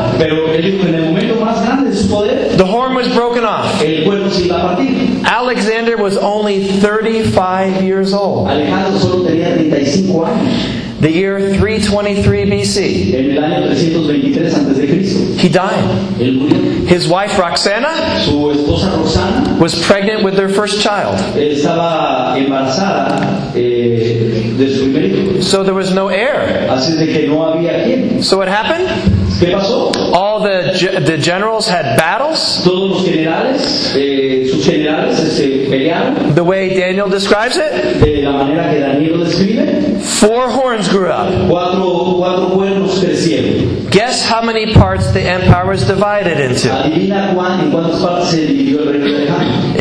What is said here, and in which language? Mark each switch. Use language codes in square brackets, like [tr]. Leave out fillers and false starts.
[es] pero él dijo, en el momento más grande de su poder, [en] the horn was broken off. [es] El cuerno se iba a partir. [en] Alexander was only 35 years old. [es] Alejandro solo tenía 35 años. [en] The year 323 BC. [es] En el año 323 antes de Cristo. [en] He died. His wife Roxana, [es] su esposa Roxana [en] was pregnant with their first child. [es] Estaba embarazada, de su primer hijo. [en] So there was no heir. [es] Así de que no había quien. [en] So what happened? [es] ¿Qué pasó? [en] All the generals had battles. [es] Todos los generales, sus generales, pelearon. [en] The way Daniel describes it, [es] de la manera que Daniel lo describe, [en] four horns grew up. [es] Cuatro cuernos crecieron. [en] Guess how many parts the empire was divided into? [es] Adivina cuán, en cuántas partes se dividió el reino de Alejandro.